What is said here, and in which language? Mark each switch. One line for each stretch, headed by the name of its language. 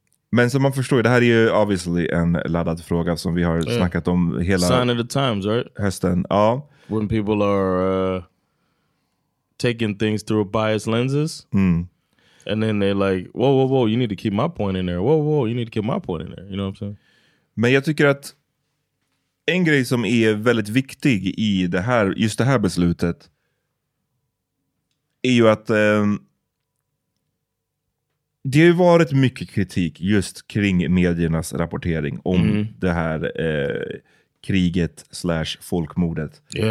Swedish: Men som man förstår, det här är ju obviously en laddad fråga som vi har snackat om hela
English: sign of the times, right?
Swedish: Hösten. Ja.
English: When people are taking things through biased lenses. And then they're like, whoa, whoa, whoa, you need to keep my point in there. Whoa, whoa, you need to keep my point in there. You know what I'm saying?
Swedish: Men jag tycker att en grej som är väldigt viktig i det här, just det här beslutet, är ju att det har varit mycket kritik just kring mediernas rapportering om det här kriget slash folkmordet.